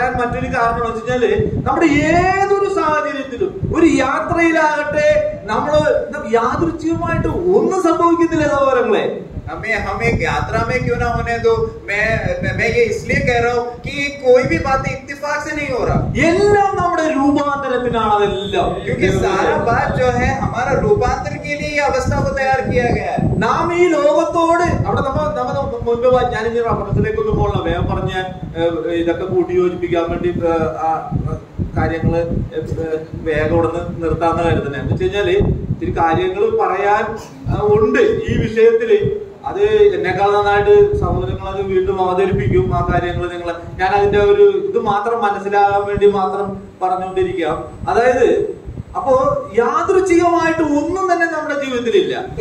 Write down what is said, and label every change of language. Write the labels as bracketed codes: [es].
[ml] മറ്റൊരു സാഹചര്യത്തിലും ഒരു യാത്രയിലാകട്ടെ നമ്മള് യാദൃച്ഛികമായിട്ട് ഒന്നും സംഭവിക്കുന്നില്ല സഹോദരങ്ങളെ [hi] हमें यात्रा में क्यों ना होने दो मैं ये इसलिए कह रहा हूँ कि कोई भी बात इत्तेफाक से नहीं हो रहा [ml] எல்லாம் നമ്മുടെ രൂപാന്തരത്തിനാണ് എല്ലാം [hi] क्योंकि सारा बात जो है हमारा रूपांतर के लिए ये अवस्था को तैयार किया गया है [ml] നാം ഈ ലോകത്തോട് അവിടെ നമ്മ മുൻപ് ഞാൻ ഇനി റഫറൻസിലേക്കൊന്നും പോകണം വേഗം പറഞ്ഞ ഇതൊക്കെ കൂട്ടി യോജിപ്പിക്കാൻ വേണ്ടി കാര്യങ്ങള് വേഗം ഉടന്ന് നിർത്താന്ന് കരുതുന്നത് എന്ന് വെച്ച് കഴിഞ്ഞാല് ഇത്തിരി കാര്യങ്ങൾ പറയാൻ ഉണ്ട് ഈ വിഷയത്തില് അത് എന്നെക്കാൾ നന്നായിട്ട് സഹോദരങ്ങൾ അത് വീണ്ടും അവതരിപ്പിക്കും ആ കാര്യങ്ങൾ നിങ്ങൾ ഞാൻ അതിന്റെ ഒരു ഇത് മാത്രം മനസ്സിലാകാൻ വേണ്ടി മാത്രം പറഞ്ഞുകൊണ്ടിരിക്കുക അതായത് അപ്പോ യാദൃച്ഛികമായിട്ട് ഒന്നും തന്നെ നമ്മുടെ ജീവിതത്തിലില്ല